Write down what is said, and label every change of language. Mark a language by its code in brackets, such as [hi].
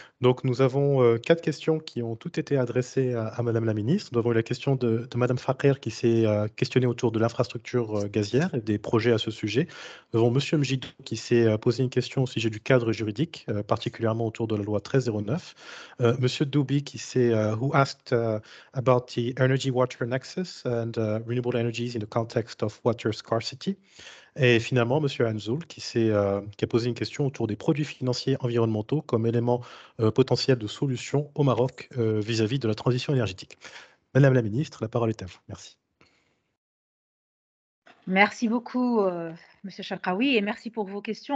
[fr] Donc, nous avons 4 questions qui ont toutes été adressées à Madame la Ministre. Nous avons eu la question de Madame Fakir qui s'est questionnée autour de l'infrastructure gazière et des projets à ce sujet. Nous avons Monsieur Mjidou qui s'est posé une question au sujet du cadre juridique, particulièrement autour de la loi 1309. [en] Monsieur Doubi [fr] qui s'est [en] who asked about the energy water nexus and renewable energies in the context of water scarcity. [fr] Et finalement, M. Anzoul, qui a posé une question autour des produits financiers environnementaux comme élément potentiel de solution au Maroc vis-à-vis de la transition énergétique. Madame la ministre, la parole est à vous. Merci. Merci beaucoup, M. Chalkaoui, et merci pour vos questions.